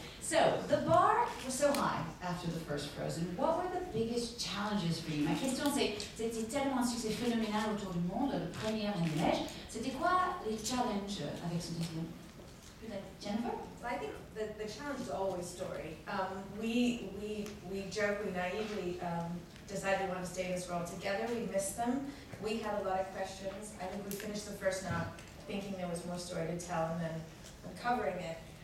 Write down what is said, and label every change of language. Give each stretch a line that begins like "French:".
English: So the bar was so high after the first Frozen. What were the biggest challenges for you?
French: Ma question c'est, c'était tellement un succès phénoménal autour du monde, le premier en neige. C'était quoi les challenges avec ce deuxième? Jennifer?
English: Well, I think the challenge is always story. We joke, we naively decided we want to stay in this world together. We missed them. We had a lot of questions. I think we finished the first knot thinking there was more story to tell and then uncovering it.